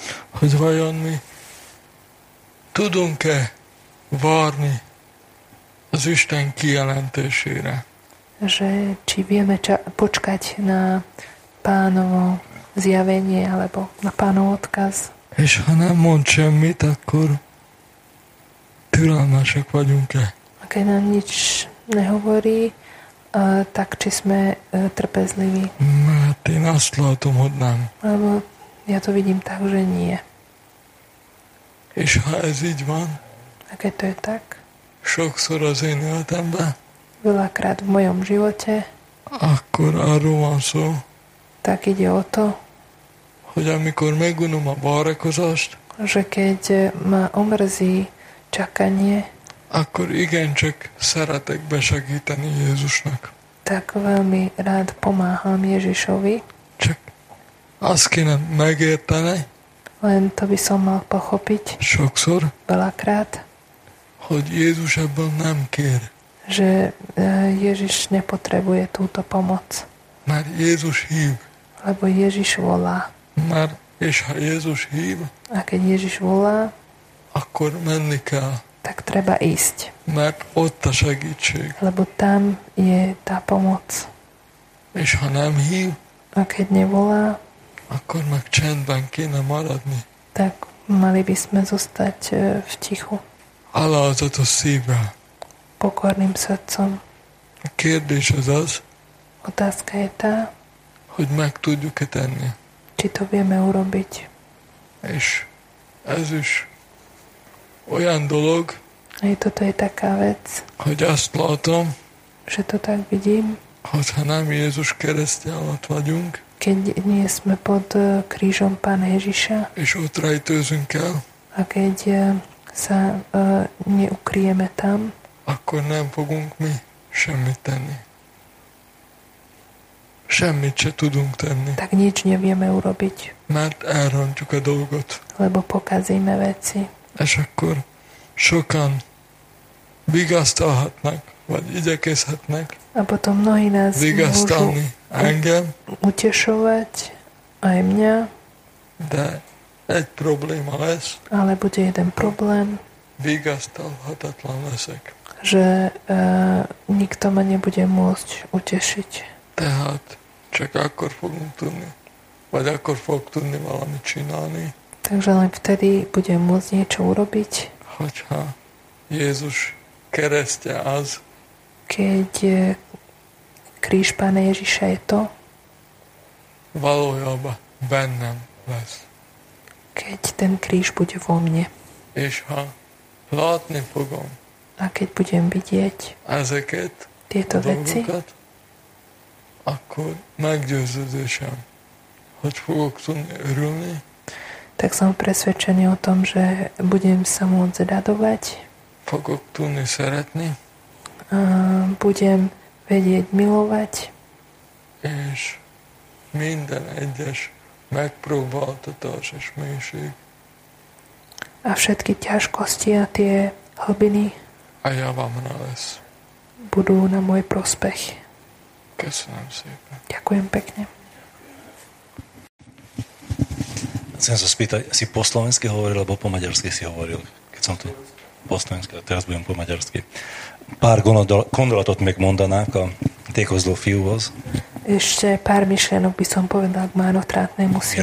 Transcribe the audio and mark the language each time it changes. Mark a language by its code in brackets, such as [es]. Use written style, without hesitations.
[hu] Hogy vajon mi tudunk-e várni az Isten kijelentésére. [sk] Že či vieme počkať na pánovo zjavenie, alebo na pánov odkaz. [hu] És ha nem mond semmit, akkor türelmesek vagyunk-e? [sk] A keď nám nič nehovorí, tak či sme trpezliví. [hu] Mert én azt látom, hogy nem. [sk] Alebo ja to vidím tak, že nie. [hu] És ha ez így van, [sk] a keď to je tak? [hu] Sokszor az én életemben. [sk] Veľakrát v mojom živote. [hu] Akkor arról van szó. [sk] Tak ide o to. [hu] Hogy amikor megunom a várakozást. [sk] Že keď ma omrzí čakanie. [hu] Akkor igencsak szeretek besegíteni Jézusnak. [sk] Tak veľmi rád pomáham Ježišovi. [hu] Csak azt kéne megérteni. [sk] Len to by som mal pochopiť. [hu] Sokszor. [sk] Veľakrát. [hu] Hogy Jézus ebből nem kér. [sk] Že Ježiš nepotrebuje túto pomoc. [hu] Mert Jézus hív. [sk] Lebo Ježiš volá. [hu] Mert és ha Jézus hív. [sk] A keď Ježiš volá. [hu] Akkor menni kell. [sk] Tak treba ísť. [hu] Mert ott a segítség. [sk] Lebo tam je tá pomoc. [hu] És ha nem hív. [sk] A keď nevolá. [hu] Akkor meg csendben kéne maradni. [sk] Tak mali by sme zostať v tichu. [hu] Alázat a szívvel. [sk] Pokorným srdcom. [hu] A kérdés az az. [sk] Otázka je tá. [hu] Hogy meg tudjuk-e tenni. [sk] Či to vieme urobiť. [hu] És ez is olyan dolog. [sk] A je toto je taká vec. [hu] Hogy azt látom. [sk] Že to tak vidím. [hu] Hogyha nem Jézus keresztje alatt vagyunk. [sk] Keď nie sme pod krížom Pána Ježiša. [hu] És ott rejtőzünk el. [sk] A keď sa neukrieme tam, [hu] akkor nem fogunk mi semmit tenni. Semmit se tudunk tenni. [sk] Tak nič nevieme urobiť. [hu] Mert elrontjuk a dolgot. [sk] Lebo pokazíme veci. [hu] És akkor sokan vigasztalhatnak, vagy igyekezhetnek. [sk] A potom mnohí nás [hu] vigasztalni engem. [sk] Utešovať aj mňa. [hu] De egy probléma lesz. [sk] Ale bude jeden problém. [hu] Vigasztalhatatlan leszek. [sk] Že nikto ma nebude môcť utešiť. [hu] Tehát csak akkor fogunk tudni. Vagy akkor fog tudni valamit csinálni. [sk] Takže len vtedy budem môcť niečo urobiť. [hu] Hogyha Jézus keresztje az. [sk] Keď kríž Pána Ježiša je to. [hu] Valójában bennem lesz. [sk] Keď ten kríž bude vo mne. [hu] És ha látni fogom. [sk] A keď budem vidieť [hu] ezeket, [sk] tieto veci, [hu] akkor meggyőződésem, hogy fogok tudni örülni. [sk] Tak som presvedčený o tom, že budem sa môcť radovať. [hu] Fogok tudni szeretni. [sk] A budem vedieť milovať. [hu] És minden egyes megpróbáltatás és mélység. [sk] A všetky ťažkosti a tie hlbiny a ja vám nález. Budú na môj prospech. [hu] Köszönöm szépen. [sk] Ďakujem pekne. Chcem sa spýtať, si po slovensky hovoril alebo po maďarsky si hovoril? Keď som tu po slovensky, teraz budem po maďarsky. [hu] pár gondolatot még mondanák a tékozló fiúhoz. És pár mislenok viszont povedák már ott rát nem muszik.